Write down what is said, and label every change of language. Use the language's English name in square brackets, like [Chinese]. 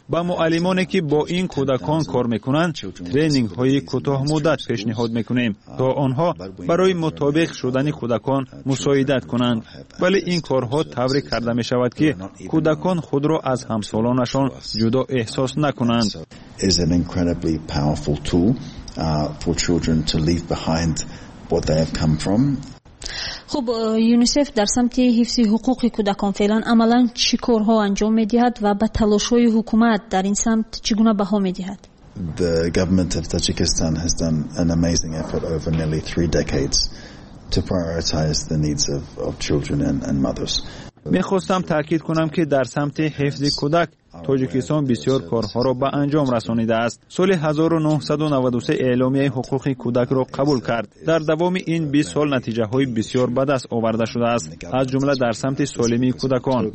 [Persian] با معلمانی که با این کودکان کار میکنند ترنینگ های کوتاه مدت پیشنهاد میکنیم تا آنها برای مطابق شدن کودکان مساعدت کنند. ولی این کارها طوری کرده میشود که کودکان خود را از همسالانشان جدا احساس نکنند. [English] It's an incredibly powerful tool for children to leave behind what they have come from. [Persian] خب یونیسف در سمت حفظ حقوق کودکان فعلا عملا چی کارها انجام میدهد و به تلاش های حکومت در این سمت چگونه بها میدهد؟ [English] The government of Tajikistan has done an amazing effort over nearly 3 decades to prioritize the needs of children and mothers. [Persian] میخواستم تاکید کنم که در سمت حفظ کودک تاجیکستان بسیار کارها را به انجام رسانیده است. سال 1993 اعلامیه حقوق کودک را قبول کرد. در دوام این 20 سال نتیجه های بسیار بد است آورده شده است، از جمله در سمت سالمی کودکان.